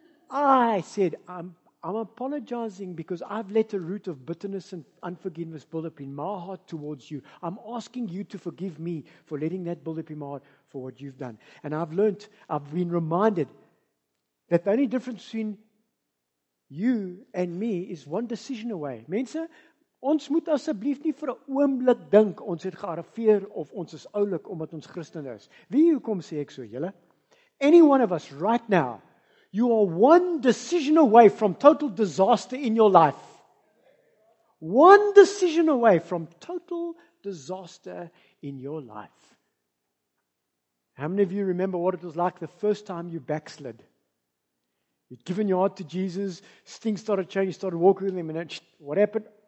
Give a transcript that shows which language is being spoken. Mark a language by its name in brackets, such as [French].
[English] I said, I'm apologizing because I've let a root of bitterness and unforgiveness build up in my heart towards you. I'm asking you to forgive me for letting that build up in my heart for what you've done. And I've been reminded that the only difference between you and me is one decision away. [Afrikaans] Mense, ons moet asseblief nie vir 'n oomblik dink ons het gearriveer of ons is oulik omdat ons Christen is. Wie hoekom sê ek so, julle? [English] Any one of us right now, you are one decision away from total disaster in your life. One decision away from total disaster in your life. How many of you remember what it was like the first time you backslid? You'd given your heart to Jesus, things started changing, started walking with him, and then, what happened?